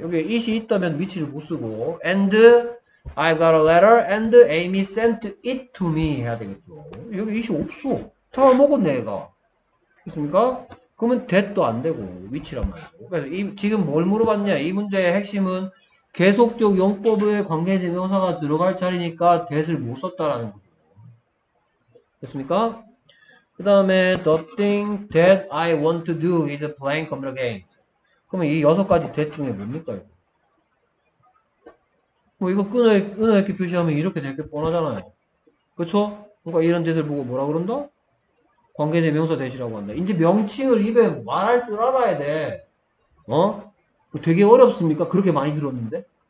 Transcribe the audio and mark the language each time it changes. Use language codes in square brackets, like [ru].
[ko] 여기 it이 있다면 위치를 못 쓰고 [en] and I got a letter and Amy sent it to me [ko] 해야 되겠죠. 여기 it이 없어. 잡아먹었네 얘가. 됐습니까? 그러면 that도 안 되고 위치란 말이죠. 그래서 지금 뭘 물어봤냐? 이 문제의 핵심은 계속적 용법의 관계대명사가 들어갈 자리니까 that을 못 썼다라는 거죠. 됐습니까? 그 다음에 [en] the thing that I want to do is playing computer games. [ko] 그러면 이 여섯 가지 that 중에 뭡니까 이거? 뭐 이거 끊어 이렇게 표시하면 이렇게 될게 뻔하잖아요. 그렇죠? 그러니까 이런 that을 보고 뭐라 그런다? 관계대명사 that이라고 한다. 이제 명칭을 입에 말할 줄 알아야 돼. 어? 되게 어렵습니까? 그렇게 많이 들었는데?